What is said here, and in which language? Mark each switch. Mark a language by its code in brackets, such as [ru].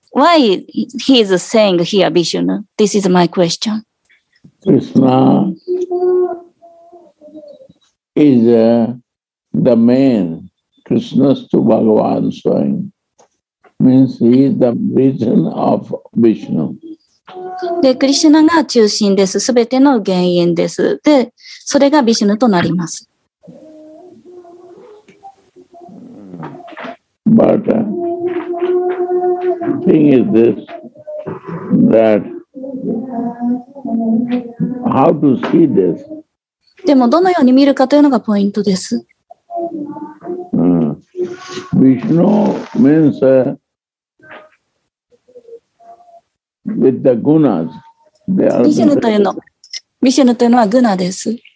[en] Why he is saying here, Vishnu? This is my question. Krishna is the main Krishna to Bhagavan Swami. means he is the reason of Vishnu. [ja] で、クリシュナが中心です。すべての原因です。で、それがビシュヌとなります。 [en] But, thing is this, that, how to see this? [ja] でも、どのように見るかというのがポイントです。 [en] ビシュヌ means、with the gunas, they are [ja] Vishnu. Vishnu というのはグナです。